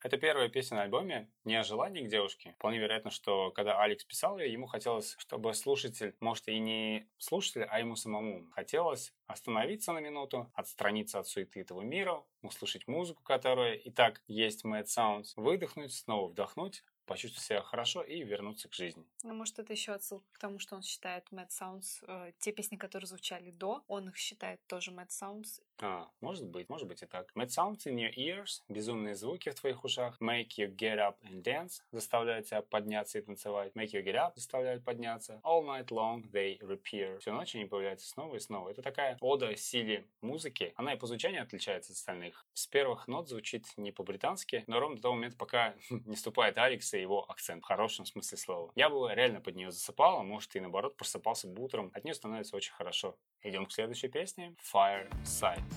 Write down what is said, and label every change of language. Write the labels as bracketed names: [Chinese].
[Russian] Это первая песня на альбоме не о желании к девушке. Вполне вероятно, что когда Алекс писал ее, ему хотелось, чтобы слушатель, может, и не слушатель, а ему самому хотелось остановиться на минуту, отстраниться от суеты этого мира, услышать музыку, которая и так есть Mad Sounds, выдохнуть, снова вдохнуть, почувствовать себя хорошо и вернуться к жизни. Ну, может, это еще отсылка к тому, что он считает Mad Sounds, те песни, которые звучали до, он их считает тоже Mad Sounds. А, может быть и так. [English] Mad Sounds in your ears, [Russian] безумные звуки в твоих ушах, [English] make you get up and dance, [Russian] заставляют тебя подняться и танцевать, [English] make you get up, [Russian] заставляют подняться, [English] all night long they repair, [Russian] всю ночь они появляются снова и снова. Это такая ода силе музыки. Она и по звучанию отличается от остальных. С первых нот звучит не по-британски, но ровно до того момента, пока не вступает Алекс, и его акцент в хорошем смысле слова. Я бы реально под нее засыпал, а может и наоборот просыпался бы утром. От нее становится очень хорошо. Идем к следующей песне. Fireside.